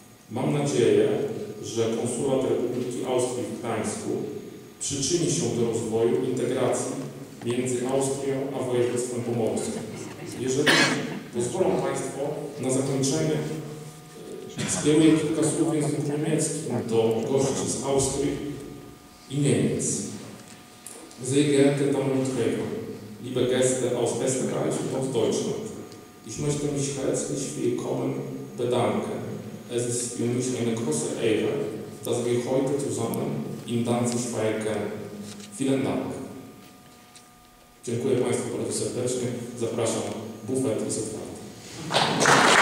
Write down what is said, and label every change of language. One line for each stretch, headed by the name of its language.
Polish: Mam nadzieję, że konsulat Republiki Austrii w Gdańsku przyczyni się do rozwoju integracji między Austrią a województwem pomorskim. Jeżeli pozwolą Państwo na zakończenie, skieruję kilka słów w języku niemieckim do gości z Austrii i Niemiec.
German: Sehr geehrte Damen und Herren, liebe Gäste aus Österreich und aus Deutschland. Ich möchte mich herzlich willkommen bedanken. Es ist für mich eine große Ehre, dass wir heute zusammen in Danzig feiern können. Vielen Dank.
Polish: Dziękuję Państwu bardzo serdecznie. Zapraszam bufet i zapraszam.